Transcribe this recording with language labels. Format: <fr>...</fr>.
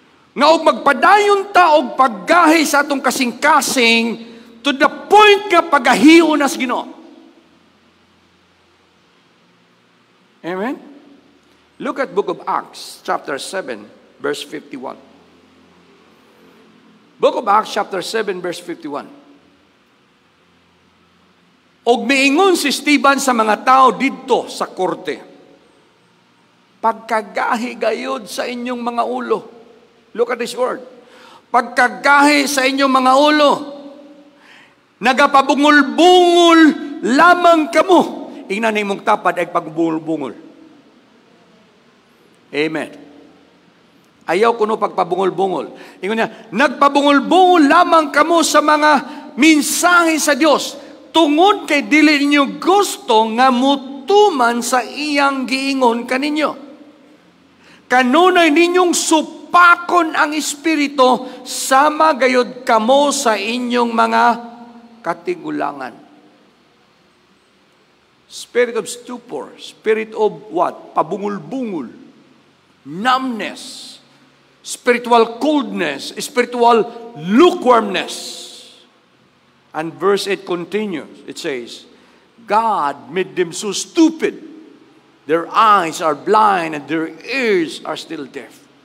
<ceb>Nga og magpadayon ta og paggahi sa atong kasing-kasing</ceb> <en>to the point</en> <ceb>nga pagahiyo na sa Ginoo. Amen?</ceb> <en>Look at Book of Acts, chapter 7, verse 51. Book of Acts, chapter 7, verse 51.</en> <ceb>Og miingon si Stephen sa mga tao dito sa korte, pagkagahi gayod sa inyong mga ulo.</ceb> <en>Look at this word.</en> <ceb>Pagkagahi sa inyong mga ulo, nagapabungol-bungol lamang kamo. Ingnan imong tapad ay pagbungol-bungol. Amen. Ayaw kuno pagpabungol-bungol. Ingon niya, nagpabungol-bungol lamang kamo sa mga mensahe sa Dios tungod kay dili ninyo gusto nga mutuman sa iyang giingon kaninyo. Kanunay ninyong supakon ang espiritu sama gayod kamo sa inyong mga katigulangan.</ceb> <en>Spirit of stupor, spirit of what? Pabungol-bungol. Numbness, spiritual coldness, spiritual lukewarmness. And verse 8 continues, it says, God made them so stupid, their eyes are blind and their ears are still deaf.</en>